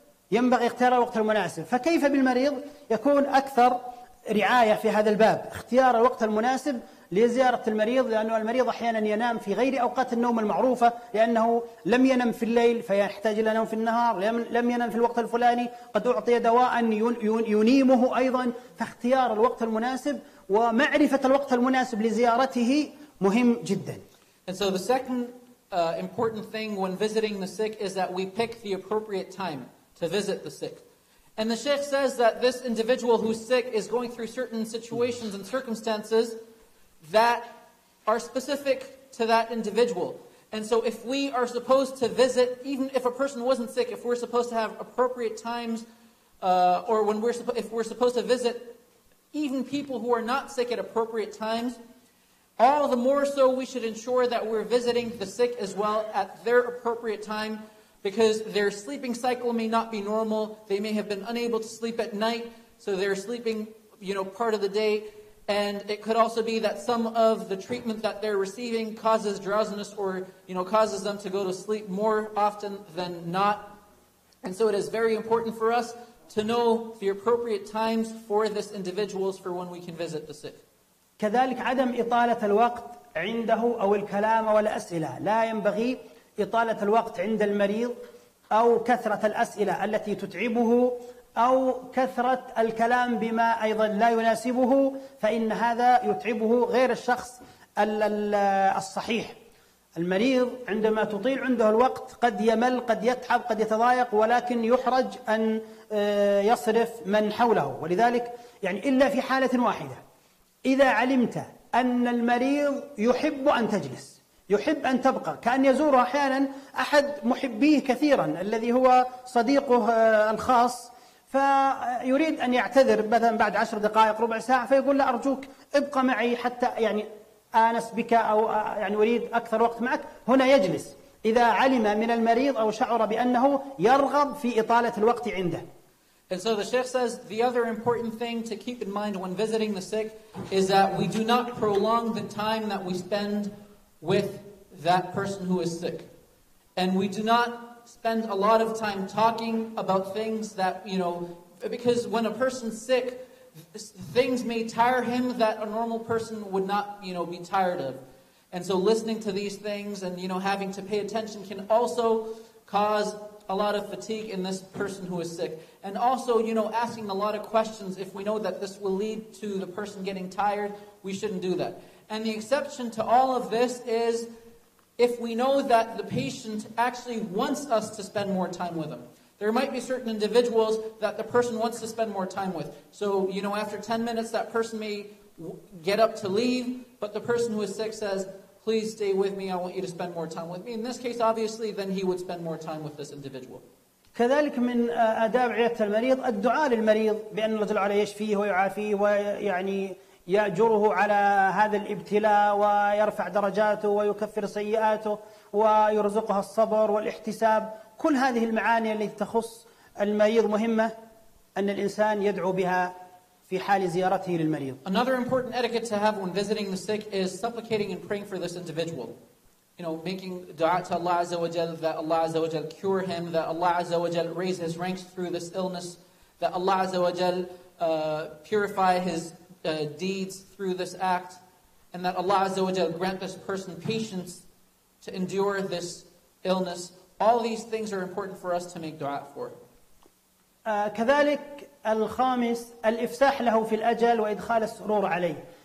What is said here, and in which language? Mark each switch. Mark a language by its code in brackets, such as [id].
[ar] ينبغي اختيار الوقت المناسب فكيف بالمريض يكون أكثر رعاية في هذا الباب اختيار الوقت المناسب لزيارة المريض لأنه المريض أحيانا ينام في غير أوقات النوم المعروفة لأنه لم ينم في الليل فيحتاج إلى نوم في النهار لم ينم في الوقت الفلاني قد أعطي دواء ينيمه أيضا فاختيار الوقت المناسب ومعرفة الوقت المناسب لزيارته مهم جدا. [en] And so the second important thing when visiting the sick is that we pick the appropriate time to visit the sick. And the Sheikh says that this individual who's sick is going through certain situations and circumstances that are specific to that individual. And so if we are supposed to visit, even if a person wasn't sick, if we're supposed to have appropriate times, if we're supposed to visit even people who are not sick at appropriate times, all the more so we should ensure that we're visiting the sick as well at their appropriate time, because their sleeping cycle may not be normal. They may have been unable to sleep at night, so they're sleeping, you know, part of the day. And it could also be that some of the treatment that they're receiving causes drowsiness or, you know, causes them to go to sleep more often than not. And so it is very important for us to know the appropriate times for this individuals for when we can visit the sick. [ar] كذلك عدم إطالة الوقت عنده أو الكلام أو الأسئلة. لا ينبغي إطالة الوقت عند المريض أو كثرة الأسئلة التي تتعبه أو كثرة الكلام بما أيضا لا يناسبه، فإن هذا يتعبه غير الشخص الصحيح. المريض عندما تطيل عنده الوقت قد يمل، قد يتعب، قد يتضايق، ولكن يحرج أن يصرف من حوله. ولذلك يعني إلا في حالة واحدة، إذا علمت أن المريض يحب أن تجلس، يحب أن تبقى، كأن يزور أحيانا أحد محبيه كثيرا الذي هو صديقه الخاص، فيريد أن يعتذر مثلا بعد 10 دقائق ربع ساعة، فيقول لا أرجوك ابقى معي حتى يعني آنس بك، أو يعني أريد أكثر وقت معك، هنا يجلس إذا علم من المريض أو شعر بأنه يرغب في إطالة الوقت عنده. [en] And so the Sheikh says the other important thing to keep in mind when visiting the sick is that we do not prolong the time that we spend with that person who is sick. And we do not spend a lot of time talking about things that, you know, because when a person's sick, things may tire him that a normal person would not, you know, be tired of. And so listening to these things and, you know, having to pay attention can also cause a lot of fatigue in this person who is sick. And also, you know, asking a lot of questions, if we know that this will lead to the person getting tired, we shouldn't do that. And the exception to all of this is if we know that the patient actually wants us to spend more time with them. There might be certain individuals that the person wants to spend more time with. So, you know, after 10 minutes, that person may get up to leave, but the person who is sick says, please stay with me, I want you to spend more time with me. In this case, obviously, then he would spend more time with this individual. [ar] كذلك من آداب عيادة المريض الدعاء للمريض بأن الله جل وعلا يشفيه ويعافيه ويعني يأجره على هذا الابتلاء ويرفع درجاته ويكفر سيئاته ويرزقه الصبر والاحتساب. كل هذه المعاني التي تخص المريض مهمة أن الإنسان يدعو بها في حال زيارته للمريض. [en] Another important etiquette to have when visiting the sick is supplicating and praying for this individual. You know, making dua to Allah Azza wa Jal that Allah Azza wa Jal cure him, that Allah Azza wa Jal raise his ranks through this illness, that Allah Azza wa Jal purify his deeds through this act, and that Allah Azza wa Jal grant this person patience to endure this illness. All these things are important for us to make dua for. [ar] كذلك الخامس الإفساح له في الأجل وإدخال السرور عليه.